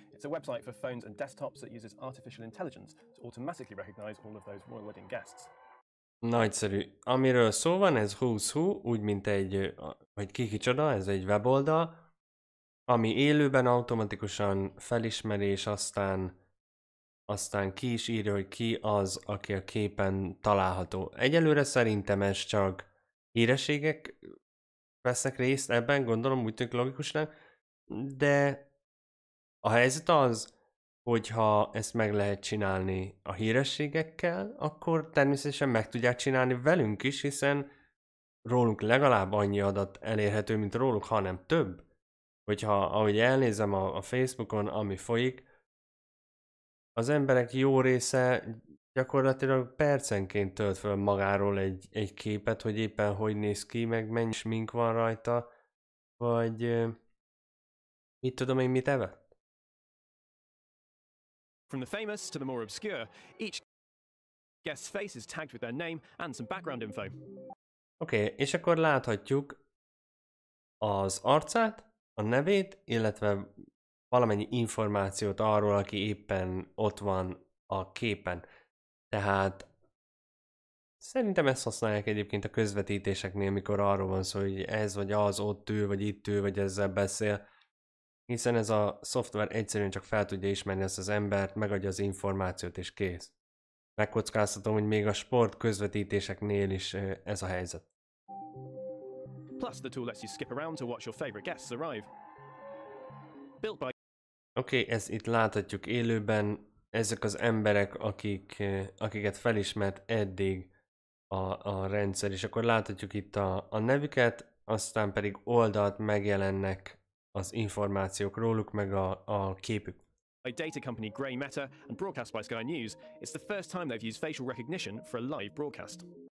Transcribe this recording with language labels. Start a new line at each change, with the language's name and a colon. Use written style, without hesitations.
English: It's a website for phones and desktops that uses artificial intelligence to automatically recognize all of those royal wedding guests.
Hungarian: Nagyszerű. Amiről szó van, ez Who's Who, úgy mint egy, vagy kikicsoda, ez egy weboldal, ami élőben automatikusan felismeri, és aztán ki is írja, hogy ki az, aki a képen található. Egyelőre szerintem ez csak hírességek vesznek részt ebben, gondolom, úgy tűnik logikusnak, de a helyzet az, hogyha ezt meg lehet csinálni a hírességekkel, akkor természetesen meg tudják csinálni velünk is, hiszen rólunk legalább annyi adat elérhető, mint róluk, hanem több. Hogyha, ahogy elnézem a Facebookon, ami folyik, az emberek jó része gyakorlatilag percenként tölt fel magáról egy képet, hogy éppen hogy néz ki, meg mennyi smink van rajta, vagy mit tudom én, mit evett.
English: From the famous to the more obscure, each guest's face is tagged with their name and some background info.
Hungarian: Okay, és akkor láthatjuk az arcát, a nevét, illetve valamennyi információt arról, aki éppen ott van a képen. Tehát szerintem ezt használják egyébként a közvetítéseknél, mikor arról van szó, hogy ez vagy az ott ül, vagy itt ül, vagy ezzel beszél. Hiszen ez a szoftver egyszerűen csak fel tudja ismerni ezt az embert, megadja az információt, és kész. Megkockáztatom, hogy még a sport közvetítéseknél is ez a helyzet.
English: Plus the tool lets you skip around to watch your favorite guests arrive.
Hungarian: Okay, ezt itt láthatjuk élőben. Ezek az emberek, akiket felismert eddig a rendszer, és akkor láthatjuk itt a nevüket, aztán pedig oldalt megjelennek az információk róluk, meg a képük.
English: A data company Grey Matter and broadcast by Sky News, it's the first time they've used facial recognition for a live broadcast.